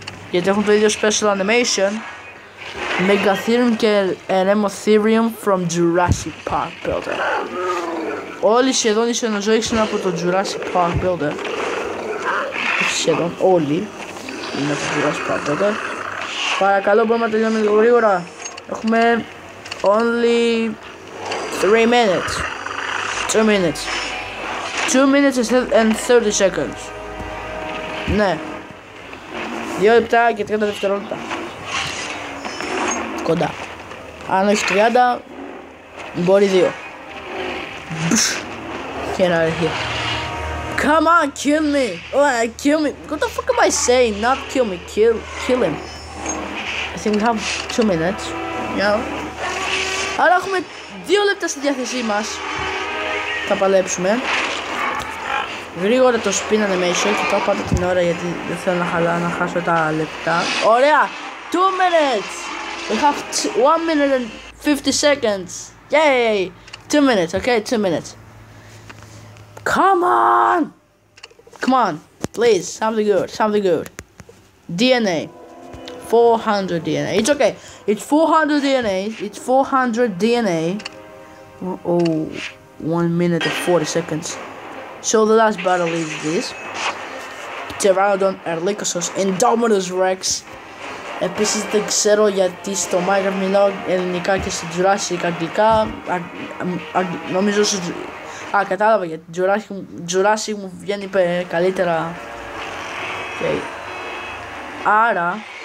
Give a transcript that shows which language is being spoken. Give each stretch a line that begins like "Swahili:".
Greek: Γιατί έχουν το ίδιο special animation. Megatherium και Eremotherium from Jurassic Park Builder. Όλοι σχεδόν οι σενοζόοι είναι από το Jurassic Park Builder. Σχεδόν όλοι. Είναι από το Jurassic Park Builder. Παρακαλώ, μπορούμε να τελειώνουμε λίγο γρήγορα. Έχουμε
English: only 3 minutes. 2 minutes. 2 minutes and 30 seconds.
Greek: Ναι. 2 λεπτά και 30 δευτερόλεπτα. Κοντά. Αν όχι 30, μπορεί 2. Και ένα αρχείο.
English: Come on, kill me. Kill me. What the fuck am I saying? Not kill me. Kill him. I think we have 2 minutes. Yeah.
Greek: Άρα έχουμε 2 λεπτά στη διάθεσή μας. Θα παλέψουμε. Γρήγορα το spin animation. Κοιτάω πάντα την ώρα γιατί δεν θέλω να χάσω τα λεπτά. Ωραία!
English: 2 minutes! We have 1 minute and 50 seconds. Yay! 2 minutes, okay? 2 minutes. Come on! Come on! Please, something good. DNA. 400 DNA. It's okay. It's 400 DNA. It's 400 DNA. Oh, 1 minute and 40 seconds. So the last battle is this. Pterodon, Erlikosaurus, Indominus Rex.
Greek: Επίσης δεν ξέρω γιατί στο Minecraft μιλάω ελληνικά και στο Jurassic αγγλικά. Νομίζω στο... κατάλαβα γιατί Jurassic μου βγαίνει καλύτερα. Okay. Άρα...